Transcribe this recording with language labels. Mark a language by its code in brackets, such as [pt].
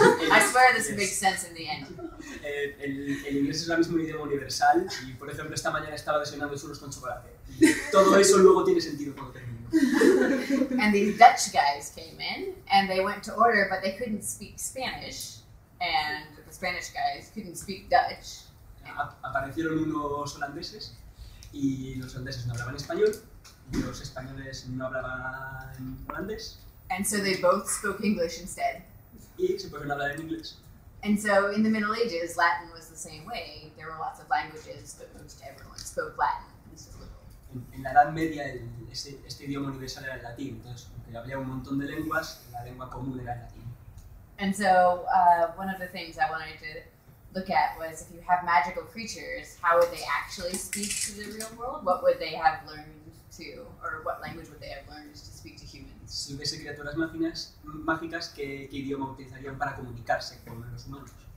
[en] I swear this will make sense in the end. [es] El inglés es la misma un idioma universal y por ejemplo esta mañana estaba desayunando churros con chocolate. Todo eso luego tiene sentido cuando termino. [en] And these Dutch guys came in and they went to order, but they couldn't speak Spanish, and the Spanish guys couldn't speak Dutch. [es] Aparecieron unos holandeses y los holandeses no hablaban español y los españoles no hablaban holandés. [en] And so they both spoke English instead. [es] Y se pusieron a hablar en inglés. [en] And so in the Middle Ages, Latin was the same way. There were lots of languages, but most everyone spoke Latin. [es] En la Edad Media este idioma universal era el latín, entonces aunque había un montón de lenguas, la lengua común era el latín. [en] And so one of the things I wanted to look at was if you have magical creatures, how would they actually speak to the real world? What would they have learned to, or what language would they have learned to speak to humans? [es] Si hubiese criaturas mágicas, ¿qué idioma utilizarían para comunicarse con los humanos?